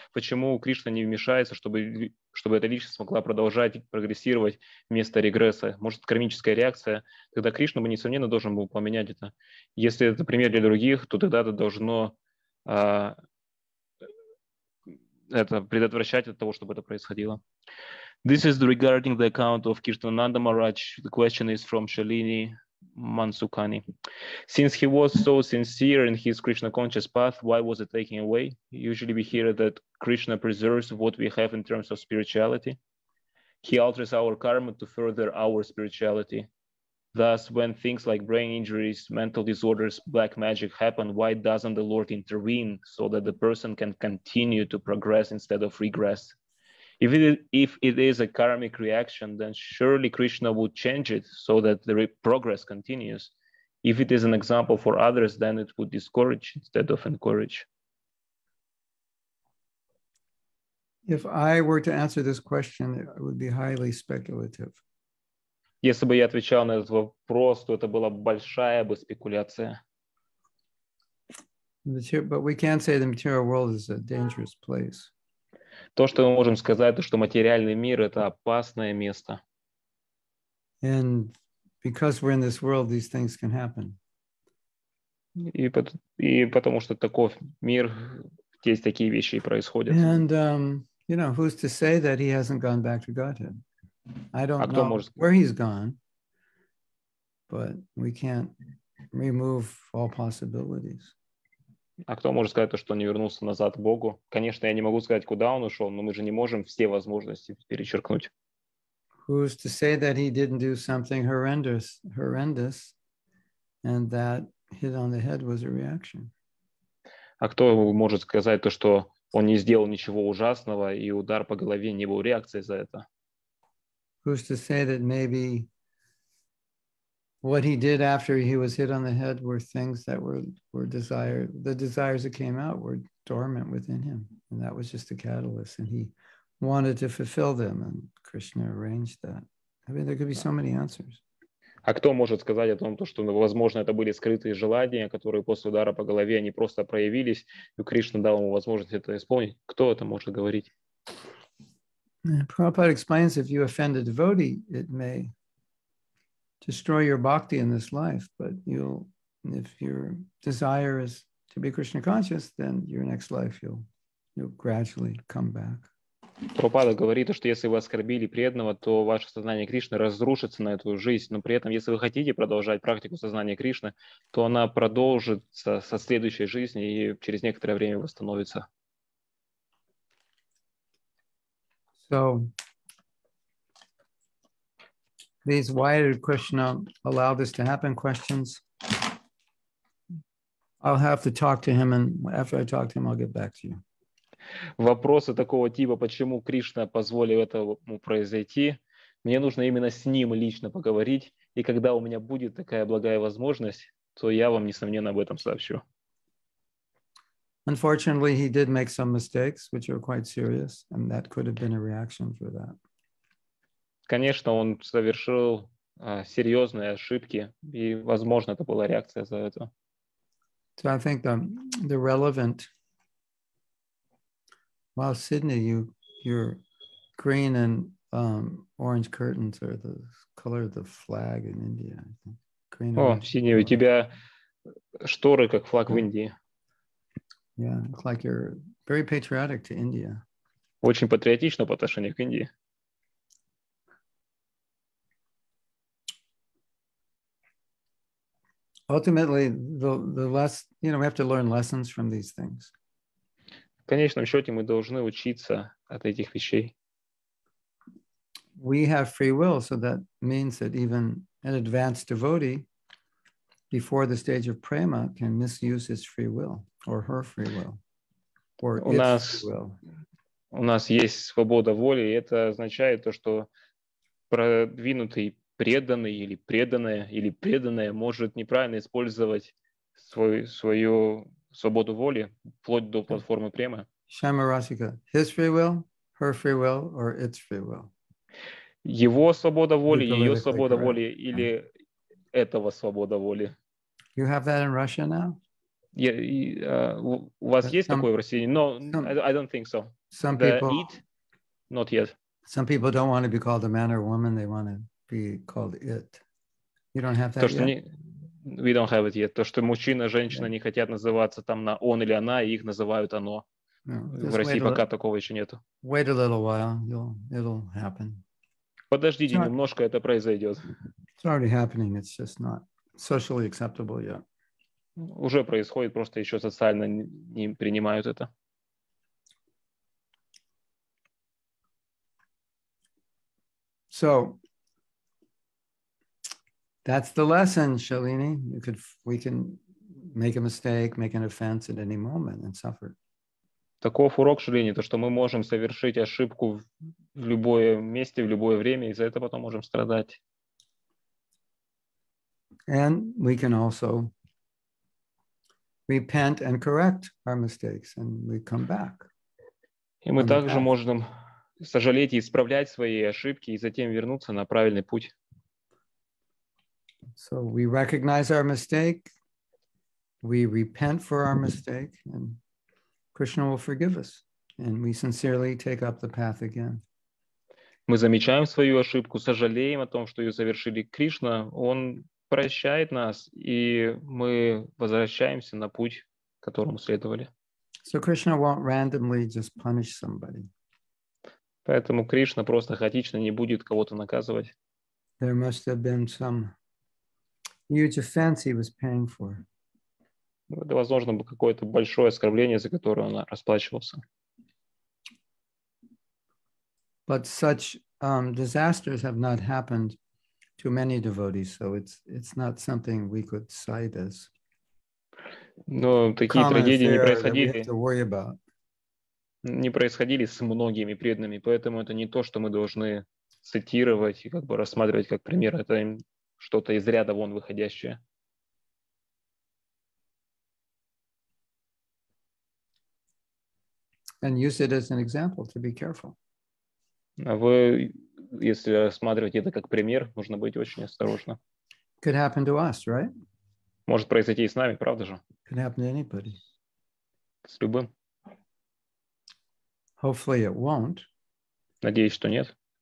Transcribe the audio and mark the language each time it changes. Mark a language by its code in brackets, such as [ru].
[ru] Почему Кришна не вмешается, чтобы эта личность смогла продолжать прогрессировать вместо регресса? Может, кармическая реакция? Тогда Кришна бы, несомненно, должен был поменять это. Если это пример для других, то тогда это должно это предотвращать от того, чтобы это происходило. [en] This is regarding the account of Kirtananda Maharaj. The question is from Shalini Mansukhani. Since he was so sincere in his Krishna conscious path, why was it taken away? Usually we hear that Krishna preserves what we have in terms of spirituality. He alters our karma to further our spirituality. Thus, when things like brain injuries, mental disorders, black magic happen, why doesn't the Lord intervene so that the person can continue to progress instead of regress? If it is a karmic reaction, then surely Krishna would change it so that the progress continues. If it is an example for others, then it would discourage instead of encourage. If I were to answer this question, it would be highly speculative. [ru] Если бы я отвечал на этот вопрос, то это была большая бы спекуляция. [en] But we can't say the material world is a dangerous place. [ru] То, что мы можем сказать, то, что материальный мир — это опасное место. [en] And because we're in this world, these things can happen. [ru] И потому что таков мир, здесь такие вещи и происходят. [en] And, you know, who's to say that he hasn't gone back to Godhead? I don't know where he's gone, but we can't remove all possibilities. [ru] А кто может сказать то, что он не вернулся назад к Богу? Конечно, я не могу сказать, куда он ушел, но мы же не можем все возможности перечеркнуть. А кто может сказать то, что он не сделал ничего ужасного, и удар по голове не был реакцией за это? [en] Who's to say that maybe what he did after he was hit on the head were things that were desire, the desires that came out were dormant within him, and that was just a catalyst, and he wanted to fulfill them, and Krishna arranged that. I mean, there could be so many answers. [ru] А кто может сказать о том, что, возможно, это были скрытые желания, которые после удара по голове, они просто проявились, и Кришна дал ему возможность это исполнить? Кто это может говорить? [en] Prabhupada explains, if you offend a devotee, it may destroy your bhakti in this life, but you'll, if your desire is to be Krishna conscious, then your next life you'll gradually come back. [ru] Прабхупада говорит, что если вы оскорбили преданного, то ваше сознание Кришны разрушится на эту жизнь, но при этом, если вы хотите продолжать практику сознания Кришны, то она продолжится со следующей жизни и через некоторое время восстановится. [en] So, these why did Krishna allow this to happen questions, I'll have to talk to him, and after I talk to him, I'll get back to you. [ru] Вопросы такого типа, почему Кришна позволил этому произойти, мне нужно именно с ним лично поговорить, и когда у меня будет такая благая возможность, то я вам, несомненно, об этом сообщу. [en] Unfortunately, he did make some mistakes, which are quite serious, and that could have been a reaction for that. [ru] Конечно, он совершил серьезные ошибки, и, возможно, это была реакция за это. [en] So I think the relevant, well, Sydney, your green and orange curtains are the color of the flag in India, I think. kind of [ru] синий, у тебя шторы, как флаг в Индии. [en] Yeah, like you're very patriotic to India. [ru] Очень патриотично по отношению к Индии. [en] Ultimately, the less, you know, we have to learn lessons from these things. [ru] В конечном счете, мы должны учиться от этих вещей. [en] We have free will, so that means that even an advanced devotee before the stage of prema can misuse his free will or her free will or its free will. [ru] У нас есть свобода воли, и это означает то, что продвинутый преданный или преданная, или преданная может неправильно использовать свою свободу воли вплоть до платформы према. [en] Shyamarasika, his free will, her free will, or its free will. [ru] Его свобода воли, ее свобода воли, или этого свобода воли. [en] You have that in Russia now? [ru] У вас есть такое в России? [en] No, I don't think so. Some people, it, not yet. Some people don't want to be called a man or woman, they want to be called it. You don't have that yet? We don't have it yet. [ru] То, что мужчина, женщина не хотят называться там на он или она, их называют оно. В России пока такого еще нету. [en] Wait a little while, it'll happen. [ru] Подождите немножко, это произойдет. [en] It's already happening, it's just not socially acceptable yet. [ru] Уже происходит, просто еще социально не принимают это. [en] So that's the lesson, Shalini. We can make a mistake, make an offense at any moment and suffer. [ru] Таков урок, Шалини, то, что мы можем совершить ошибку в любое месте, в любое время, и за это потом можем страдать. [en] And we can also repent and correct our mistakes, and we come back. [ru] И мы также можем сожалеть и исправлять свои ошибки, и затем вернуться на правильный путь. [en] So we recognize our mistake, we repent for our mistake, and Krishna will forgive us, and we sincerely take up the path again. [ru] Мы замечаем свою ошибку, сожалеем о том, что ее совершили. Кришна, он прощает нас, и мы возвращаемся на путь, которому следовали. [en] So Krishna won't randomly just punish somebody. [ru] Поэтому Кришна просто хаотично не будет кого-то наказывать. [en] There must have been some huge offense he was paying for. [ru] Это, возможно, было какое-то большое оскорбление, за которое он расплачивался. [en] But such disasters have not happened to many devotees, so it's not something we could cite as. [ru] Но такие трагедии не происходили. [en] That we have to worry about. [ru] Не происходили с многими преданными, поэтому это не то, что мы должны цитировать и как бы рассматривать как пример. Это что-то из ряда вон выходящее. [en] And use it as an example to be careful. [ru] А вы, если рассматривать это как пример, нужно быть очень осторожным. [en] Could happen to us, right? [ru] Может произойти и с нами, правда же? [en] Could happen to anybody. [ru] С любым. [en] Hopefully it won't. [ru] Надеюсь, что нет.